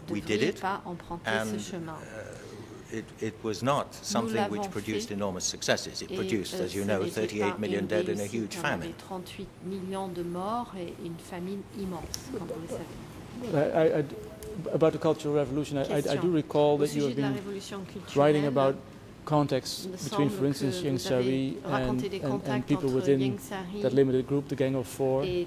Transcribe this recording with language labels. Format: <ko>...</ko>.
<en>We did it, and it was not something which produced enormous successes. It produced, as you know, 38 million dead and a huge famine.</en> <fr>38 million de morts et une famine immense, comme vous le savez.</fr> <en>About the Cultural Revolution, I do recall that you have been writing about contexts between, for instance, Yang Sari and people within that limited group, the Gang of Four.</en>